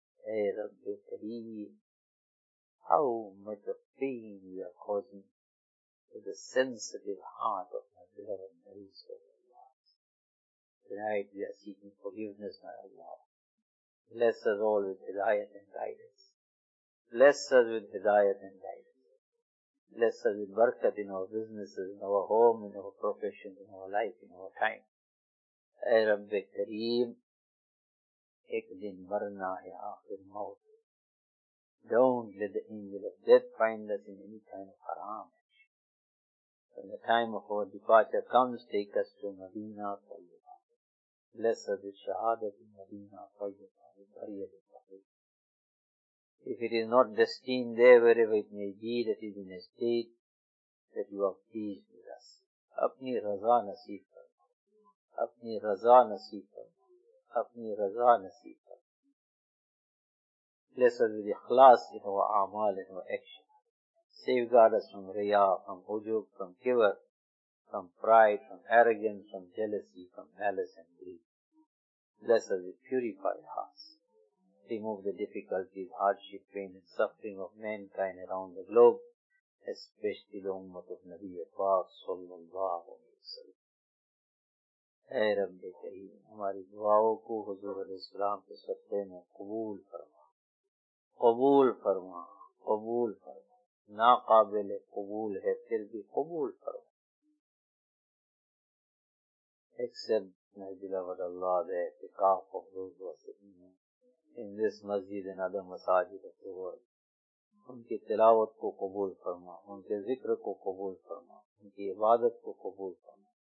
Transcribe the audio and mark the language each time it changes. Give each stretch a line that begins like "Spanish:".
English: Ay Rabbi Kareem, how much of pain you are causing to the sensitive heart of my beloved Nabi sallallahu alayhi wa sallam. Tonight we are seeking forgiveness, my Allah. Bless us all with hidayat and guidance. Bless us with hidayat and guidance. Bless us with barakat in our businesses, in our home, in our profession, in our life, in our time.
Urdu: اے رب کریم, ایک دن مرنا ہے, آخر موت.
English: Don't let the angel of death find us in any kind of haram. When the time of our departure comes, take us to Medina Tayyibah. Bless us with shahadat in Medina Tayyibah. If it is not destined there, wherever it may be, that is in a state that you are pleased with us.
Urdu: اپنی رضا نصیب, اپنی رضا نصیب کر, اپنی رضا نصیب کر.
English: Bless us with اخلاص in our اعمال and our action. Save God us from ریا, from حجوب, from کبر, from pride, from arrogance, from jealousy, from malice and greed. Bless us with purified hearts. Remove the difficulties, hardship, pain and suffering of mankind around the globe, especially the ummat of نبی پاک صلی اللہ علیہ وسلم.
Urdu: اے رب کریم, ہماری دعاؤں کو حضور علیہ السلام کے صدقے میں قبول فرما, قبول فرما, قبول فرما. ناقابل قبول ہے, پھر بھی قبول فرما.
English: Accept my beloved Allah, the اعتکاف of those who are sitting in this مسجد and other مساجد of the world.
Urdu: ان کی تلاوت کو قبول فرما, ان کے ذکر کو قبول فرما, ان کی عبادت کو قبول فرما.